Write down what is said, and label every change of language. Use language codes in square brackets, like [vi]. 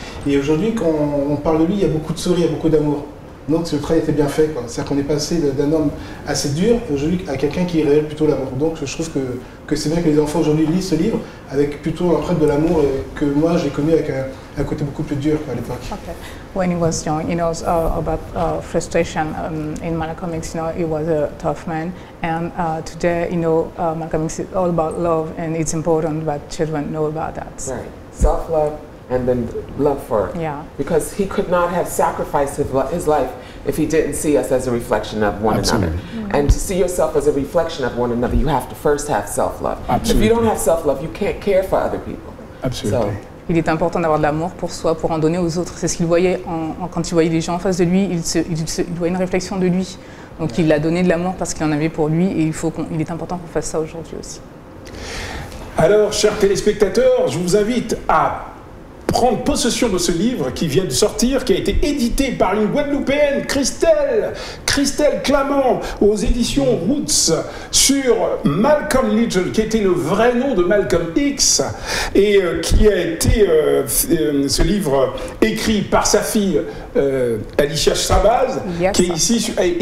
[fr] Et aujourd'hui, quand on parle de lui, il y a beaucoup de sourires, beaucoup d'amour. Donc ce travail était bien fait, quoi. C'est-à-dire qu'on est passé d'un homme assez dur aujourd'hui à quelqu'un qui révèle plutôt l'amour. Donc je trouve que c'est bien que les enfants aujourd'hui lisent ce livre avec plutôt un trait de l'amour et que moi j'ai connu avec un côté beaucoup plus dur, quoi, à l'époque. Okay. [en] When he was young, you know, about frustration in Malcolm X, you know, he was a tough man. And today, you know, Malcolm X is all about love and it's important that children know about that. Right. Self-love. And then love for, yeah. Because he could not have sacrificed his life if he didn't see us as a reflection of one Absolutely. Another. Mm-hmm. And to see yourself as a reflection of one another, you have to first have self-love. Absolutely. If you don't have self-love, you can't care for other people. Absolutely. So, [fr] il est important d'avoir de l'amour pour soi, pour en donner aux autres. C'est ce qu'il voyait quand il voyait les gens en face de lui. Il voyait une réflexion de lui. Donc il a donné de l'amour parce qu'il en avait pour lui. Et il est important qu'on fasse ça aujourd'hui aussi. Alors, chers téléspectateurs, je vous invite à prendre possession de ce livre qui vient de sortir, qui a été édité par une Guadeloupéenne, Christelle Clamant, aux éditions Roots, sur Malcolm Little, qui était le vrai nom de Malcolm X, et qui a été, ce livre, écrit par sa fille Alicia Chabaz, qui est ici,